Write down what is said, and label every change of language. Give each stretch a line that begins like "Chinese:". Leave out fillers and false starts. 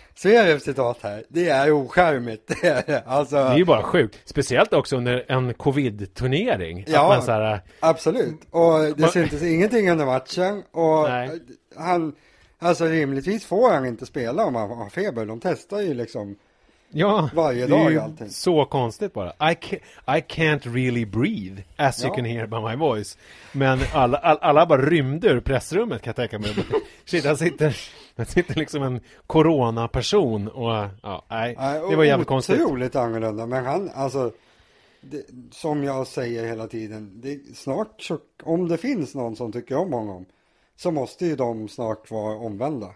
Swedish: Zverevs citat här, det är oskärmigt. Alltså, det är ju bara sjukt. Speciellt också under en covid-turnering. Ja, att man så här, absolut. Och det syntes ingenting under matchen. Och han, alltså rimligtvis får han inte spela om han har feber. De testar ju liksom varje dag allting. Så konstigt bara.
English: I can't really breathe, as you can hear by my voice.
Swedish: Men alla bara rymde ur pressrummet, kan jag tänka mig. Shit, han sitter liksom en coronaperson. Och, det var jävligt konstigt. Otroligt annorlunda. Men han, alltså, det, som jag säger hela tiden, det, snart, om det finns någon som tycker om honom, så måste ju de snart vara omvända.